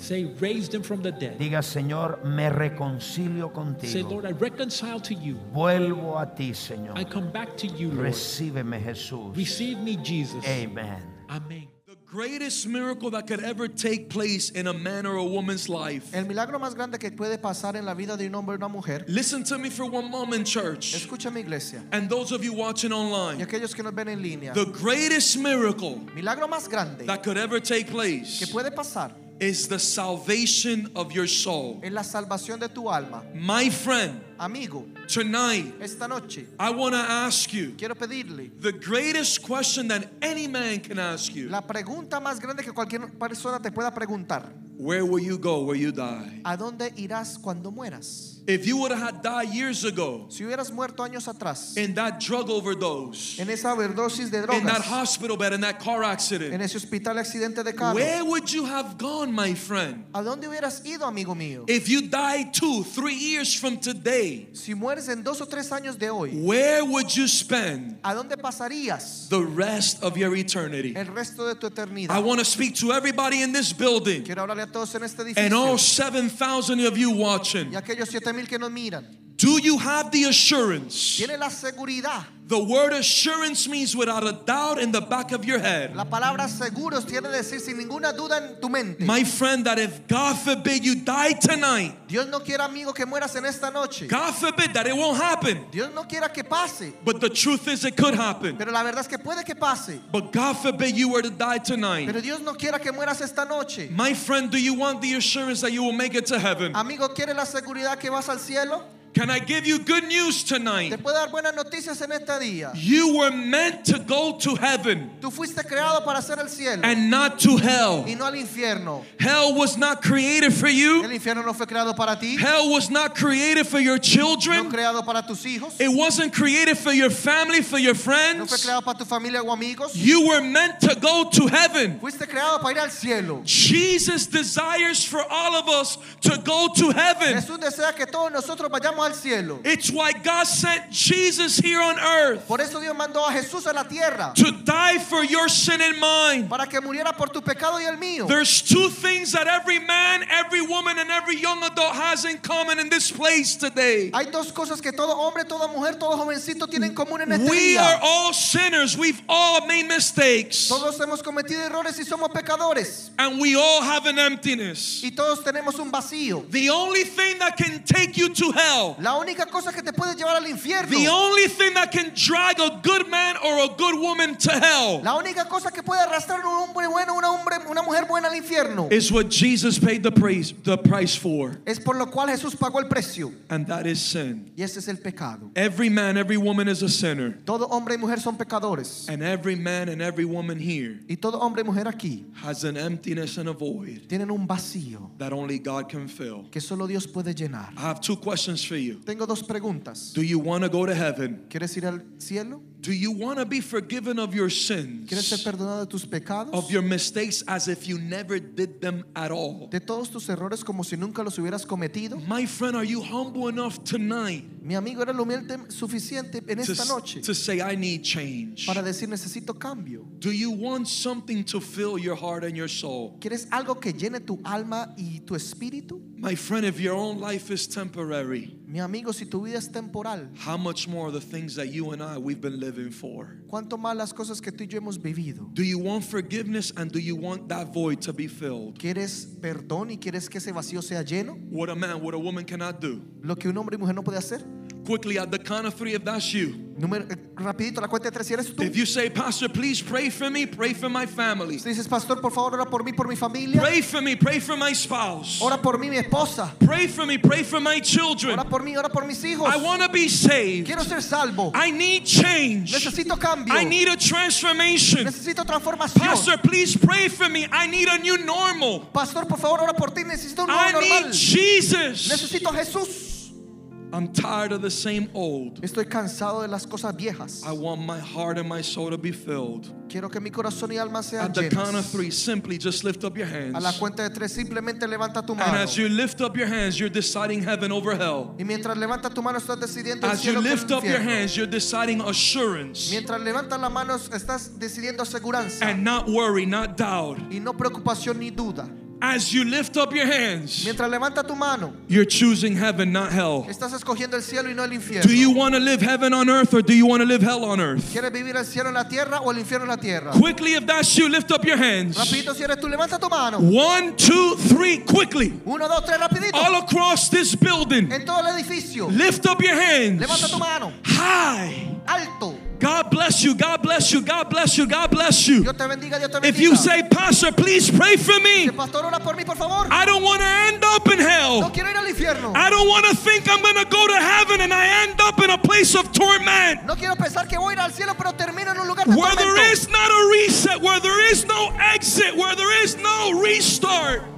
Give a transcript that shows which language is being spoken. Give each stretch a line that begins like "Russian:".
English: Say, raised him from the dead.
Spanish: Diga, Señor, me reconcilio contigo.
English: Say, Lord, I reconcile to you.
Spanish: Vuelvo a ti, Señor.
English: I come back to you, Lord.
Spanish: Recíbeme, Jesús.
English: Receive me, Jesus.
Spanish: Amen.
English: Amen. The greatest miracle that could ever take place in a man or a woman's life.
Spanish: El milagro más grande que puede pasar en la vida de un hombre o una mujer.
English: Listen to me for one moment, church.
Spanish: Escúchame, iglesia.
English: And those of you watching online.
Spanish: Y aquellos que nos ven en línea.
English: The greatest miracle.
Spanish: Milagro más grande.
English: That could ever take place.
Spanish: Que puede pasar.
English: Is the salvation of your soul.
Spanish: En la salvación de tu alma.
English: My friend.
Spanish: Amigo.
English: Tonight.
Spanish: Esta noche.
English: I want to ask you.
Spanish: Quiero pedirle.
English: The greatest question that any man can ask you.
Spanish: La pregunta más grande que cualquier persona te pueda preguntar.
English: Where will you go where you die?
Spanish: ¿A dónde irás cuando mueras?
English: If you would have died years ago.
Spanish: Si hubieras muerto años atrás.
English: In that drug overdose.
Spanish: En esa overdosis de drogas.
English: In that hospital bed, in that car accident.
Spanish: En ese hospital accidente de carro.
English: Where would you have gone, my friend?
Spanish: ¿A dónde hubieras ido, amigo mío?
English: If you die 2-3 years from today.
Spanish: Si mueres en 2 o 3 años de hoy.
English: Where would you spend?
Spanish: ¿A dónde pasarías?
English: The rest of your eternity.
Spanish: El resto de tu eternidad.
English: I want to speak to everybody in this building.
Spanish: Quiero hablarle a todos en este edificio.
English: And all 7,000 of you watching.
Spanish: Y aquellos 7,000 que nos miran.
English: Do you have the assurance?
Spanish: ¿Tiene la seguridad?
English: The word assurance means without a doubt in the back of your head.
Spanish: La palabra seguros tiene decir sin ninguna duda en tu mente.
English: My friend, that if God forbid you die tonight,
Spanish: Dios no quiera, amigo, que mueras en esta noche.
English: God forbid that it won't happen.
Spanish: Dios no quiera que pase.
English: But the truth is, it could happen.
Spanish: Pero la verdad es que puede que pase.
English: But God forbid you were to die tonight.
Spanish: Pero Dios no quiera que mueras esta noche.
English: My friend, do you want the assurance that you will make it to heaven?
Spanish: Amigo, ¿quiere la seguridad que vas al cielo?
English: Can I give you good news tonight?
Spanish: ¿Te puedo dar buenas noticias en este día?
English: You were meant to go to heaven.
Spanish: Tú fuiste creado para hacer el cielo.
English: And not to hell.
Spanish: Y no al infierno.
English: Hell was not created for you.
Spanish: El infierno no fue creado para ti.
English: Hell was not created for your children.
Spanish: No creado para tus hijos.
English: It wasn't created for your family, for your friends.
Spanish: No fue creado para tu familia o amigos.
English: You were meant to go to heaven.
Spanish: Fuiste creado para ir al cielo.
English: Jesus desires for all of us to go to heaven.
Spanish: Jesús desea que todos nosotros vayamos.
English: It's why God sent Jesus here on earth.
Spanish: Por eso Dios mandó a Jesús a la tierra.
English: To die for your sin and mine.
Spanish: Para que muriera por tu pecado y el mío.
English: There's two things that every man, every woman, and every young adult has in common in this place today.
Spanish: Hay dos cosas que todo hombre, toda mujer, todo jovencito tiene en común en este día.
English: We are all sinners. We've all made mistakes.
Spanish: Todos hemos cometido errores y somos pecadores.
English: And we all have an emptiness.
Spanish: Y todos tenemos un vacío.
English: The only thing that can take you to hell.
Spanish: La única cosa que te puede llevar al infierno.
English: The only thing that can drag a good man or a good woman to hell.
Spanish: La única cosa que puede arrastrar un hombre bueno, una hombre, una mujer buena al infierno.
English: Is what Jesus paid the price for.
Spanish: Es por lo cual Jesús pagó el precio.
English: And that is sin.
Spanish: Y ese es el pecado.
English: Every man, every woman is a sinner.
Spanish: Todo hombre y mujer son pecadores.
English: And every man and every woman here.
Spanish: Y todo hombre y mujer aquí.
English: Has an emptiness and a void.
Spanish: Tienen un vacío.
English: That only God can fill.
Spanish: Que solo Dios puede llenar.
English: I have two questions for you.
Spanish: Tengo dos preguntas.
English: Do you want to go to heaven?
Spanish: ¿Quieres ir al cielo?
English: Do you want to be forgiven of your sins?
Spanish: ¿Quieres ser perdonado de tus pecados?
English: Of your mistakes as if you never did them at all.
Spanish: De todos tus errores como si nunca los hubieras cometido.
English: My friend, are you humble enough tonight?
Spanish: Mi amigo, ¿eres humilde suficiente en esta noche?
English: To say I need change.
Spanish: Para decir necesito cambio.
English: Do you want something to fill your heart and your soul?
Spanish: ¿Quieres algo que llene tu alma y tu espíritu?
English: My friend, if your own life is temporary.
Spanish: Mi amigo, si tu vida es temporal.
English: How much more are the things that you and I we've been living for?
Spanish: ¿Cuánto más las cosas que tú y yo hemos vivido?
English: Do you want forgiveness and do you want that void to be filled?
Spanish: ¿Quieres perdón y quieres que ese vacío sea lleno?
English: What a man, what a woman cannot do.
Spanish: Lo que un hombre y mujer no puede hacer.
English: Quickly, at the count of three, if that's you.
Spanish: Rapidito, la cuenta de tres, si eres tú.
English: If you say, Pastor, please pray for me, pray for my family.
Spanish: Si dices, Pastor, por favor, ora por mí, por mi familia.
English: Pray for me, pray for my spouse.
Spanish: Ora por mí, mi esposa.
English: Pray for me, pray for my children.
Spanish: Ora por mí, ora por mis hijos.
English: I want to be saved.
Spanish: Quiero ser salvo.
English: I need change.
Spanish: Necesito cambio.
English: I need a transformation.
Spanish: Necesito transformación.
English: Pastor, please pray for me. I need a new normal.
Spanish: Pastor, por favor, ora por ti. Necesito un nuevo
English: I
Spanish: normal.
English: I need Jesus.
Spanish: Necesito Jesús.
English: I'm tired of the same old.
Spanish: Estoy cansado de las cosas viejas.
English: I want my heart and my soul to be filled.
Spanish: Quiero que mi corazón y alma sean llenas.
English: At the count of three, simply just lift up your hands.
Spanish: A la cuenta de tres, simplemente levanta tu mano.
English: And as you lift up your hands, you're deciding heaven over hell.
Spanish: Y mientras levanta tu mano, estás decidiendo el cielo.
English: As you lift up your hands, you're deciding assurance.
Spanish: Mientras levanta las manos, estás decidiendo seguridad.
English: And not worry, not doubt.
Spanish: Y no preocupación ni duda.
English: As you lift up your hands,
Spanish: mientras levanta tu mano,
English: you're choosing heaven, not hell.
Spanish: Estás escogiendo el cielo y no el infierno.
English: Do you want to live heaven on earth or do you want to live hell on earth?
Spanish: ¿Quieres vivir el cielo en la tierra o el infierno en la tierra?
English: Quickly, if that's you, lift up your hands.
Spanish: Rapidito, si eres tú, levanta tu mano.
English: One, two, three, quickly.
Spanish: Uno, dos, tres, rapidito.
English: All across this building.
Spanish: En todo el edificio.
English: Lift up your hands.
Spanish: Levanta tu mano.
English: High.
Spanish: Alto.
English: God bless you, God bless you, God bless you, God bless you.
Spanish: Dios te bendiga, Dios te bendiga.
English: If you say, Pastor, please pray for me.
Spanish: Pastor, ora por mí, por favor.
English: I don't want to end up in hell.
Spanish: No quiero ir al infierno.
English: I don't want to think I'm going to go to heaven and I end up in a place of torment.
Spanish: No quiero pensar que voy a ir al cielo, pero termino en un lugar de tormento.
English: Where there is not a reset, where there is no exit, where there is no restart.